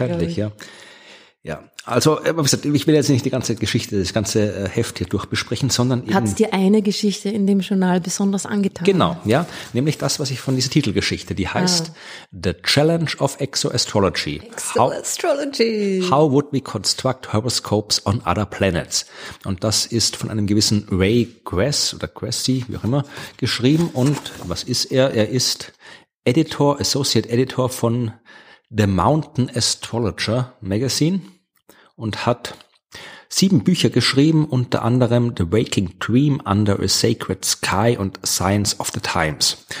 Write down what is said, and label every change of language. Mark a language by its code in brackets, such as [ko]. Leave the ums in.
[de] wahrscheinlich, ich. ja. Ja, also äh, wie gesagt, ich will jetzt nicht die ganze Geschichte, das ganze äh, Heft hier durchbesprechen, sondern eben Hat's dir eine Geschichte in dem Journal besonders angetan? Genau, ja. Nämlich das, was ich von dieser Titelgeschichte, die heißt The Challenge of Exoastrology. [en] Still Astrology. How would we construct horoscopes on other planets? [de] Und das ist von einem gewissen Ray Gress oder Gressy, wie auch immer, geschrieben. Und was ist er? Er ist Editor, Associate Editor von The Mountain Astrologer Magazine und hat sieben Bücher geschrieben, unter anderem The Waking Dream Under a Sacred Sky und Signs of the Times.